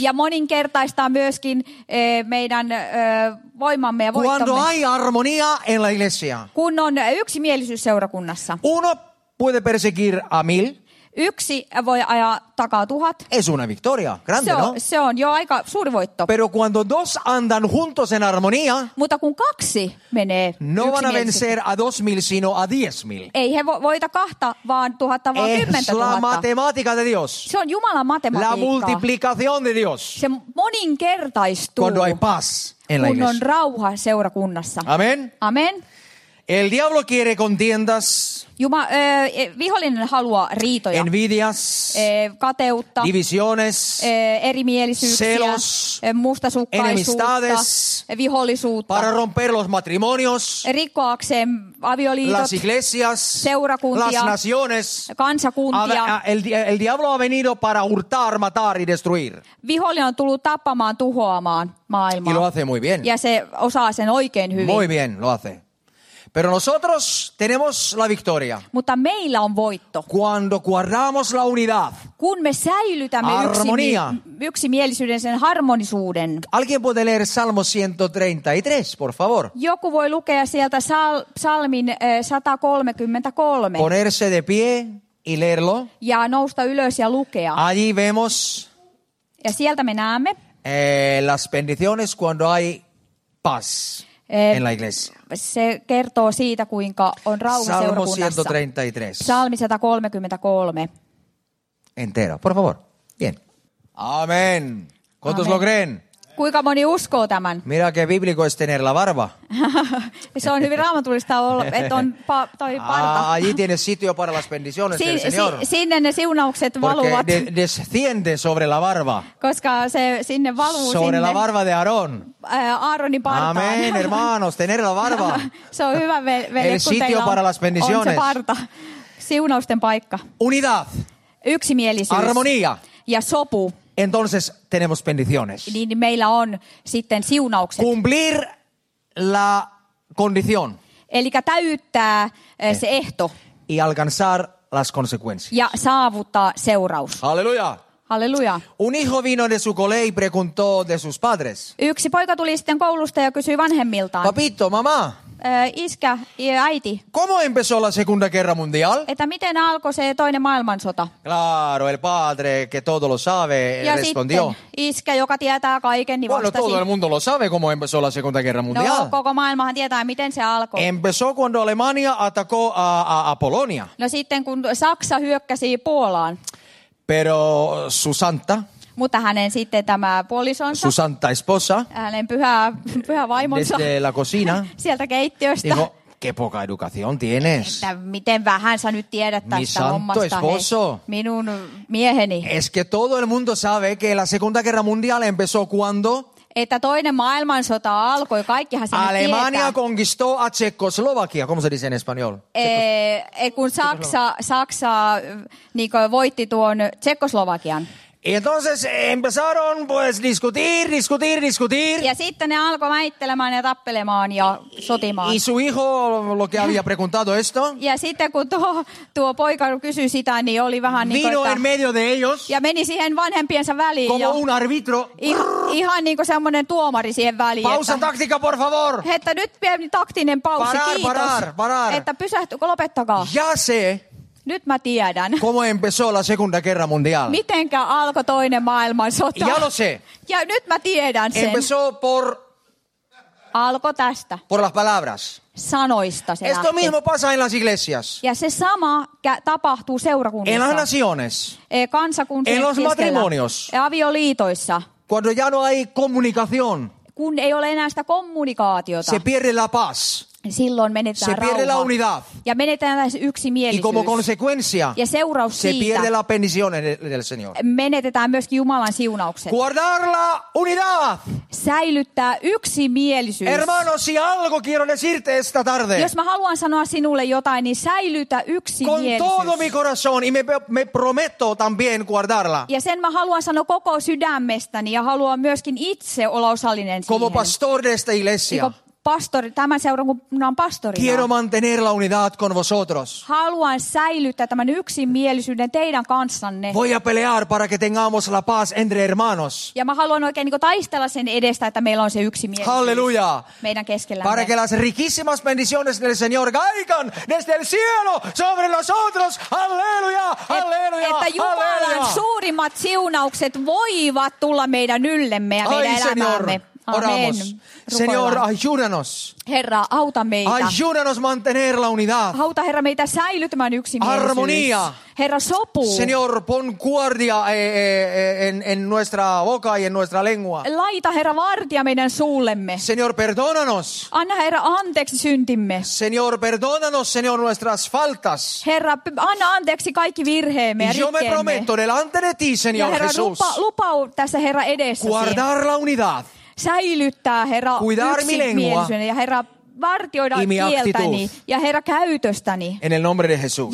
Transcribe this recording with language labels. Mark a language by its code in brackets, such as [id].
[fi] Ja moninkertaistaa myöskin meidän voimamme ja voittomme. [es] Cuando hay armonía en la iglesia. [fi] Kun on yksimielisyys seurakunnassa. [es] Uno puede perseguir a mil. [fi] Yksi voi ajaa takaa 1000. [es] Es una victoria, grande, no? [fi] Se on jo aika suuri voitto. [es] Pero cuando dos andan juntos en armonía. [fi] Mutta kun kaksi menee. [es] No van a vencer a 2000 sino a 10000. [fi] Ei he voita kahta vaan 1000 vaan 10000. [es] Es la matemática de Dios. [fi] Se on Jumalan matematiikka. [es] La multiplicación de Dios. [fi] Se moninkertaistuu. [es] Cuando hay paz en la iglesia. [fi] Kun on rauha seurakunnassa. [es] Amén. Amén. El diablo quiere contiendas. [fi] Juma, vihollinen haluaa riitoja. [es] Envidias. [fi] Kateutta. [es] Divisiones. [fi] Erimielisyyksiä. [es] Celos. [fi] Mustasukkaisuutta. [es] Enemistades. [fi] Vihollisuutta. [es] Para romper los matrimonios. [fi] Rikkoakseen avioliitot. [es] Las iglesias. [fi] Seurakuntia. [es] Las naciones. [fi] Kansakuntia. [es] El diablo ha venido para hurtar, matar y destruir. [fi] Vihollinen on tullut tappamaan, tuhoamaan maailmaa. [es] Y lo hace muy bien. [fi] Ja se osaa sen oikein hyvin. [es] Muy bien, lo hace. Pero nosotros tenemos la victoria. [fi] Mutta meillä on voitto. [es] Cuando guardamos la unidad. [fi] Kun me säilytämme [es] armonía. [fi] Yksimielisyyden sen harmonisuuden. [es] Alguien puede leer Salmo 133, por favor. [fi] Joku voi lukea sieltä salmin 133. [es] Ponerse de pie y leerlo. [fi] Ja nousta ylös ja lukea. [es] Allí vemos. [fi] Ja sieltä me näemme. [es] Las bendiciones cuando hay paz. En la iglesia. [fi] Se kertoo siitä, kuinka on rauha [es] Salmo [fi] seurakunnassa. Salmi 133. [es] Entero, por favor. Bien. Amén. ¿Cuántos lo creen? [fi] Kuinka moni uskoo tämän? [es] Mira que bíblico es tener la barba. [fi] Se on hyvin raamatullista olla, että on toi parta. [es] Allí tiene sitio para las bendiciones del Señor. [fi] Sinne ne siunaukset valuvat. [es] Porque desciende sobre la barba. [fi] Koska se sinne valuu [es] sobre [fi] sinne. [es] Sobre la barba de Aarón. [fi] Aaronin partaan. [es] Amén, hermanos, tener la barba. [fi] Se on hyvä, veli, [es] el sitio para las bendiciones. [fi] On se parta. Siunausten paikka. [es] Unidad. [fi] Yksimielisyys. [es] Armonía. [fi] Ja sopu. [es] Entonces tenemos bendiciones. [fi] Niin meillä on sitten siunaukset. [es] Cumplir la condición. [fi] Elikkä täyttää se ehto. [es] Y alcanzar las consecuencias. [fi] Ja saavuttaa seuraus. [es] Aleluya. Aleluya. Un hijo vino de su cole y preguntó de sus padres. [fi] Yksi poika tuli sitten koulusta ja kysyi vanhemmiltaan. [es] Papito, mamá. [fi] Iskä ja äiti. [es] ¿Cómo empezó la Segunda Guerra Mundial? [fi] Että miten alkoi se toinen maailmansota? [es] Claro, el padre que todo lo sabe [fi] ja [es] respondió. [fi] Iskä, joka tietää kaiken, niin [es] bueno, [fi] vastasi. [es] Todo el mundo lo sabe cómo empezó la Segunda Guerra Mundial. [fi] No, koko maailmahan tietää, miten se alkoi. [es] Empezó cuando Alemania atacó a Polonia. [fi] No sitten, kun Saksa hyökkäsi Puolaan. [es] Pero su santa. [fi] Mutta hänen sitten tämä puolisonsa. [es] Su santa esposa. [fi] Hänen pyhä vaimonsa. [es] Desde la cocina. [fi] Sieltä keittiöstä. [es] Dijo, qué poca educación tienes. [fi] Että miten vähän sä nyt tiedät tästä hommasta. [es] Mi santo esposo. [fi] Minun mieheni. [es] Es que todo el mundo sabe que la Segunda Guerra Mundial empezó cuando. [fi] Että toinen maailmansota alkoi. Kaikkihan sen [es] Alemania [fi] tietää. [es] Alemania conquistó a Checoslovakia. ¿Cómo se dice en español? [fi] Kun Saksa niin kuin voitti tuon Tsekkoslovakian. [es] Y entonces empezaron pues discutir. [fi] Ja sitten ne alkoi väittelemään ja tappelemaan ja sotimaan. [es] Y su hijo lo que había preguntado esto. [fi] Ja sitten kun tuo poika kysyi sitä, niin oli vähän niin kuin, [es] vino en medio de ellos. [fi] Ja meni siihen vanhempiensa väliin. [es] Como un árbitro. [fi] Ihan niin kuin semmoinen tuomari siihen väliin. [es] Pausa táctica, por favor. [fi] Että nyt pieni taktinen pausi, kiitos. [es] Parar. [fi] Että pysähtykö, lopettakaa. [es] Ya sé. [fi] Nyt mä tiedän. [es] ¿Cómo empezó la Segunda Guerra Mundial? [fi] Mitenkä alkoi toinen maailmansota? [es] Ya lo sé. [fi] Ja nyt mä tiedän sen. [es] Empezó por. [fi] Alko tästä. [es] Por las palabras. [fi] Sanoista se. [es] Esto [fi] lähti. [es] Mismo pasa en las iglesias. [fi] Ja se sama tapahtuu seurakunnissa. [es] En las naciones. [fi] Kansakuntien [es] en los matrimonios. [fi] Avioliitoissa. [es] Cuando ya no hay comunicación. [fi] Kun ei ole enää sitä kommunikaatiota. [es] Se pierde la paz. [fi] Silloin menetään [es] se pierde [fi] rauha. [es] La unidad. [fi] Ja menetään yksimielisyys. [es] Y como consecuencia. [fi] Ja seuraus [es] se [fi] siitä. [es] Se pierde la bendición del Señor. [fi] Menetetään myöskin Jumalan siunaukset. [es] Guardar la unidad. [fi] Säilyttää yksimielisyys. [es] Hermano, si algo quiero decirte esta tarde. [fi] Jos mä haluan sanoa sinulle jotain, niin säilytä yksimielisyys. [es] Con todo mi corazón y me prometo también guardarla. [fi] Ja sen mä haluan sanoa koko sydämestäni ja haluan myöskin itse olla osallinen siihen. [es] Como pastor de esta iglesia. [fi] pastori, tämän seurakunnan pastorina. [es] Quiero mantener la unidad con vosotros. [fi] Haluan säilyttää tämän yksimielisyyden teidän kanssanne. [es] Voy a pelear para que tengamos la paz entre hermanos. [fi] Ja mä haluan oikein niin kuin taistella sen edestä, että meillä on se yksimielisyys. Halleluja. Meidän keskellä. [es] Para que las riquísimas bendiciones del Señor caigan desde el cielo sobre nosotros. [fi] Halleluja. Halleluja. Että Jumalan halleluja. Suurimmat siunaukset voivat tulla meidän yllemme ja meidän elämäämme. [es] Oramos. Señor, ayúdanos. [fi] Herra, auta meitä. [es] Ayúdanos mantener la unidad. [fi] Auta, Herra, meitä säilytämään yksimielisyys. [es] Armonía. [fi] Herra, sopu. [es] Señor, pon guardia en nuestra boca y en nuestra lengua. [fi] Laita, Herra, vartija meidän suullemme. [es] Señor, perdónanos. [fi] Anna, Herra, anteeksi syntimme. [es] Señor, perdónanos, Señor, nuestras faltas. [fi] Herra, anna anteeksi kaikki virheemme ja rikkeemme. [es] Yo me prometo delante de ti, Señor [fi] Herra, Jesús. Herra, lupau tässä, Herra, edessäsi. [es] Guardar la unidad. [fi] Säilyttää, Herra, yksimielisyyden ja Herra, vartioida kieltäni ja Herra, käytöstäni. [es] En el nombre de Jesús.